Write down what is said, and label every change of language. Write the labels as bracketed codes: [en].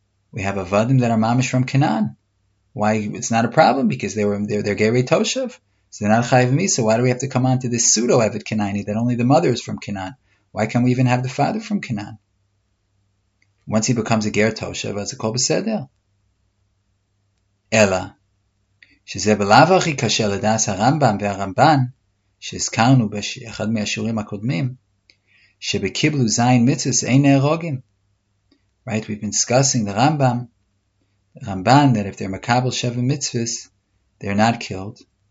[en] We have Avadim that are Mamish from Kenan. Why? It's not a problem, because they're Ger Toshev. So they're not Chayiv Misa. Why do we have to come on to this pseudo Eved Kenayini that only the mother is from Kenan? Why can't we even have the father from Kenan? Once he becomes a Ger Toshev, as a Kol B'Sedel. [he] Ella, שזה בלאו הכי קשה לדעס הרמב״ם והרמב״ן, שהזכרנו באחד מהשיעורים הקודמים, שבקיבלו זין מצווס אין נהרוגים. [en] Right, we've been discussing the Rambam, that if they're [he] מקבל שבע מצווס, [en] they're not killed.